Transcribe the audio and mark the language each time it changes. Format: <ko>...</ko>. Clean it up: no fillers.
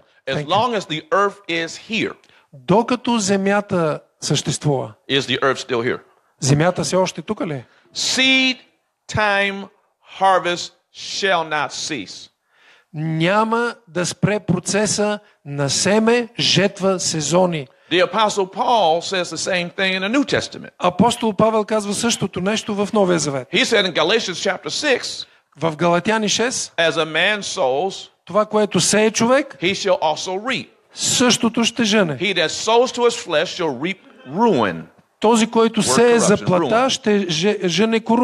<en>As long as the earth is here.</en> <bg>Докато земята съществува.</bg> <en>Is the earth still here?</en> <bg>Земята все още тук ли?</bg> <en>Seed time harvest shall not cease.</en> <bg>Няма да спре процеса на семе, жетва, сезони.</bg> <en>The apostle Paul says the same thing in the New Testament.</en> <bg>Апостол Павел казва същото нещо в Новия Завет.</bg> <en>He said in Galatians chapter 6.</en> <bg>В Галатяни 6.</bg> <en>As a man sows,</en> <bg>това което сее човек,</bg> <en>he shall also reap.</en> <bg>Същото ще жене.</bg> <en>He that sows to his flesh shall reap ruin.</en> <bg>Този, който сее за плата, ще жене</bg>